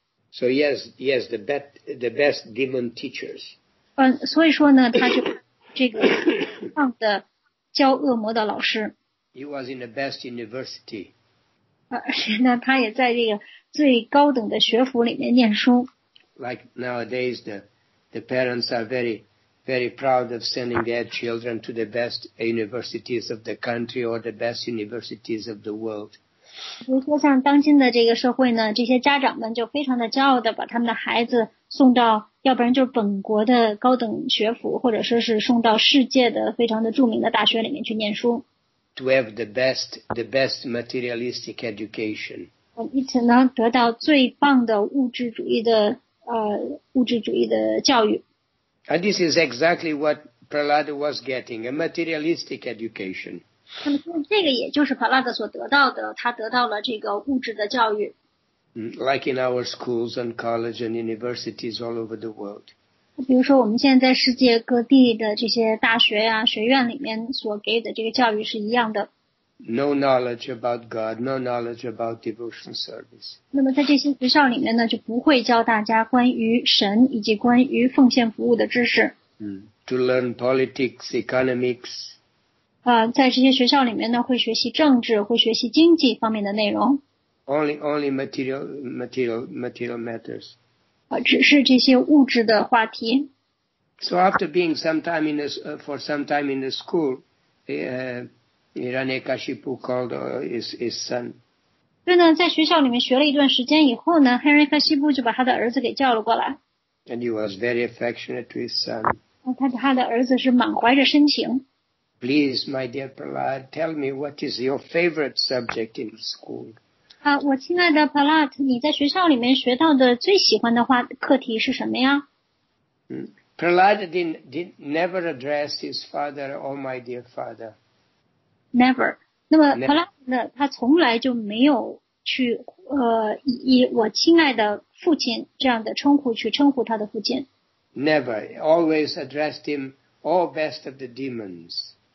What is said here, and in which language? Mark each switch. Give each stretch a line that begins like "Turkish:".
English: So yes, the best demon teachers.
Chinese: 所以说呢，他就这个上的教恶魔的老师。
English: He was in the best university.
Chinese: 那他也在这个。最高等的学府里面念书。
English: Like nowadays, the parents are very, very proud of sending their children to the best universities of the country or the best universities of the world.
Chinese: 比如说像当今的这个社会呢，这些家长们就非常的骄傲的把他们的孩子送到，要不然就是本国的高等学府，或者说是送到世界的非常的著名的大学里面去念书。
English: To have the best materialistic education.
Chinese: 以此呢得到最棒的物质主义的教育。
English: And this is exactly what Prahlad was getting, a materialistic education.
Chinese: 这个也就是 Prahlad 所得到的，他得到了这个物质的教育。
English: Like in our schools and colleges and universities all over the world.
Chinese: 比如说我们现在在世界各地的这些大学啊，学院里面所给的这个教育是一样的。
English: No knowledge about God, no knowledge about devotion service.
Chinese: 那么在这些学校里面呢，就不会教大家关于神以及关于奉献服务的知识。
English: To learn politics, economics.
Chinese: 在这些学校里面呢，会学习政治，会学习经济方面的内容。
English: Only material matters.
Chinese: 只是这些物质的话题。
English: So after being some time in the school, Hiranyakashipu called his son.
Chinese: 对呢，在学校里面学了一段时间以后呢，亨瑞卡西布就把他的儿子给叫了过来。
English: And he was very affectionate to his son.
Chinese: 他的儿子是满怀着深情。
English: Please, my dear Prahlad, tell me what is your favorite subject in school.
Chinese: 我亲爱的 Prahlad, 你在学校里面学到的最喜欢的课题是什么呀？
English: Prahlad never addressed his father, or my dear father. Never.
Chinese: 那么 Prahlad 呢，他从来就没有去以我亲爱的父亲这样的称呼去称呼他的父亲。
English: Never. Always addressed him, all best of the demons.